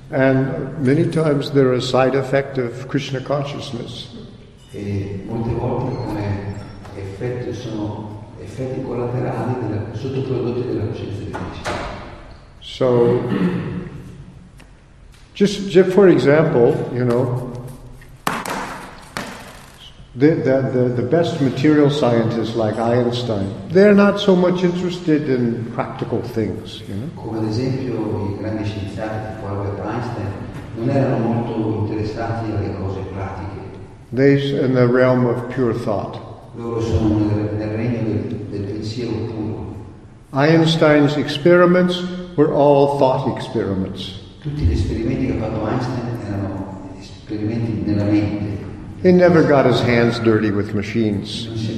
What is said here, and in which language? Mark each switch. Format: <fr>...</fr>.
<en>And many times they're a side effect of Krishna consciousness.</en> <it>E molte volte come effetti sono effetti collaterali della sottoprodotti della coscienza di Krishna.</it> <en>So just for example, you know, the best material scientists like Einstein, they're not so much interested in practical things, you know.</en> <it>Come ad esempio i grandi scienziati tipo Albert Einstein non erano molto interessati alle cose pratiche.</it> <en>They're in the realm of pure thought.</en> <it>Loro sono nel regno del pensiero puro.</it> <en>Einstein's experiments were all thought experiments.</en> <it>Tutti gli esperimenti che ha fatto Einstein erano esperimenti nella mente.</it> <en>He never got his hands dirty with machines.</en>